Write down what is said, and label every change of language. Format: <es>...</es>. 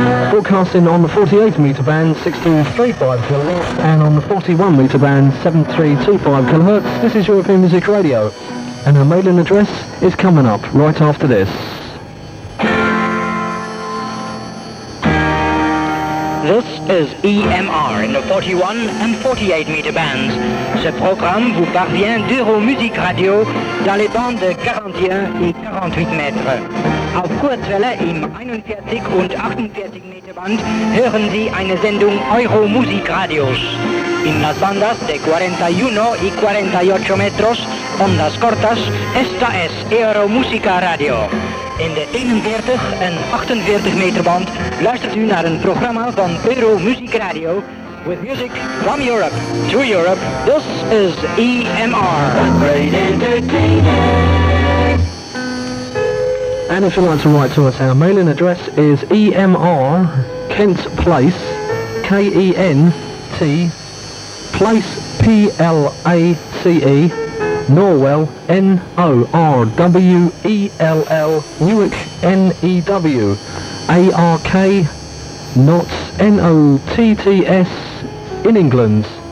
<en>broadcasting on the 48 meter band 1635 kHz and on the 41 meter band 7325 kHz. This is European Music Radio, and her mailing address is coming up right after this. This is EMR in the 41 and 48 meter bands.</en> <fr>Ce programme vous parvient d'Euromusic Radio dans les bandes de 41 et 48 mètres.</fr> <de>Auf Kurzwelle im 41 und 48 meter band hören Sie eine Sendung Euromusic Radios.</de> <es>In las bandas de 41 y 48 metros, ondas cortas, esta es Euromusica Radio.</es> <nl>In de 41 en 48 meter band luistert u naar een programma van Euro Music Radio</nl> <en>with music from Europe to Europe. This is EMR. And if you'd like to write to us, our mailing address is EMR Kent Place, K-E-N-T, Place P-L-A-C-E, Norwell, N-O-R-W-E-L-L, Newark, N-E-W, A-R-K, Notts, N-O-T-T-S, in England.</en>